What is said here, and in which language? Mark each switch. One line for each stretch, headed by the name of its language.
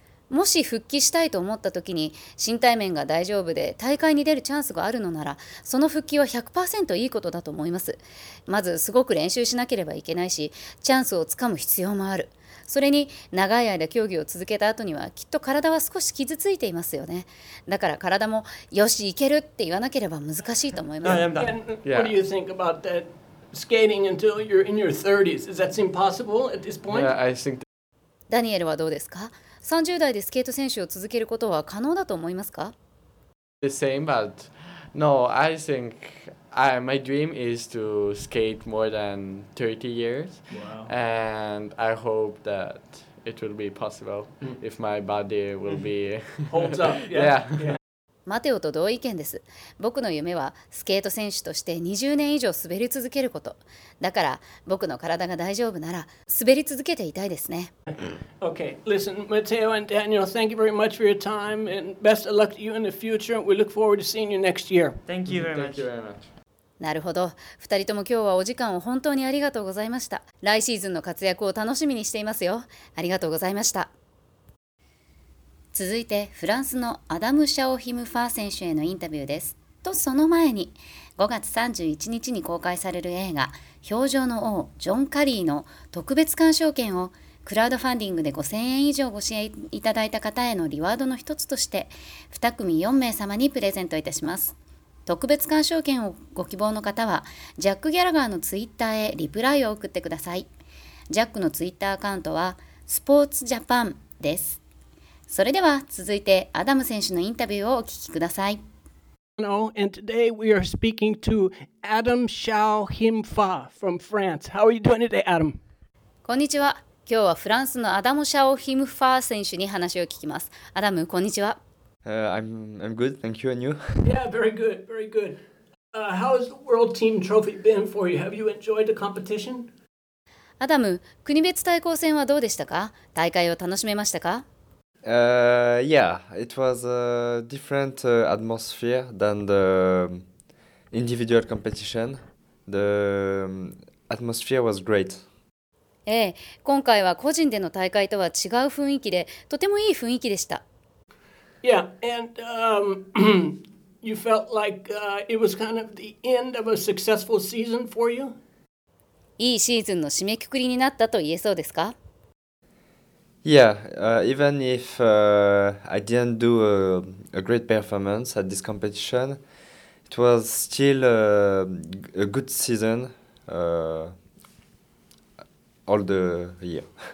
Japanese: もし復帰したいと思った時に身体面が大丈夫で大会に出るチャンスがあるのならその復帰は 100% いいことだと思います。まずすごく練習しなければいけないしチャンスをつかむ必要もある。それに長い間競技を続けた後にはきっと体は少し傷ついていますよね。だから体もよし行けるって言わなければ難しいと思います。
English: What do you think about that skating until you're in your 30s? Is that impossible at this point? Yeah, I think
Japanese: ダニエルはどうですか？30代でスケート選手を続けることは可能だと思いますか？
English: The same, but no, I think my dream is to skate more than 30 years. Wow. And I hope that it will be possible if my body will be... Holds up, yeah.
Japanese: マテオと同意見です。僕の夢はスケート選手として20年以上滑り続けること。だから僕の体が大丈夫なら滑り続けていたいですね。
English: Okay, listen, Mateo and Daniel, thank you very much for your time and best of luck to you in the future. We look forward to seeing you next year. Thank you very much.
Japanese: なるほど。二人とも今日はお時間を本当にありがとうございました。来シーズンの活躍を楽しみにしていますよ。ありがとうございました。続いてフランスのアダム・シャオヒム・ファー選手へのインタビューです。とその前に5月31日に公開される映画「氷上の王ジョン・カリー」の特別鑑賞券をクラウドファンディングで5000円以上ご支援いただいた方へのリワードの一つとして2組4名様にプレゼントいたします。特別鑑賞券をご希望の方はジャック・ギャラガーのツイッターへリプライを送ってください。ジャックのツイッターアカウントはスポーツジャパンです。それでは続いてアダム選手のインタビューをお聞きください。
English: Hello, and today we are speaking to Adam Shao Himfa from France. How are you doing today, Adam?
Japanese: こんにちは。今日はフランスのアダム・シャオ・ヒムファー選手に話を聞きます。アダム、こんにちは。
English: I'm good, thank you, and you? Yeah, very good, very good. How has the World Team Trophy been for you? Have you enjoyed the competition?
Japanese: アダム、国別対抗戦はどうでしたか？大会を楽しめましたか？
English: Yeah, it was a different atmosphere than the individual competition. The atmosphere was great.
Japanese: ええ、今回は個人での大会とは違う雰囲気で、とてもいい雰囲気でした。
English: Yeah, and you felt like it was kind of the end of a successful season for you?
Japanese: いいシーズンの締めくくりになったと言えそうですか？
English: Yeah, even if I didn't do a great performance at this competition, it was still a good season all the year.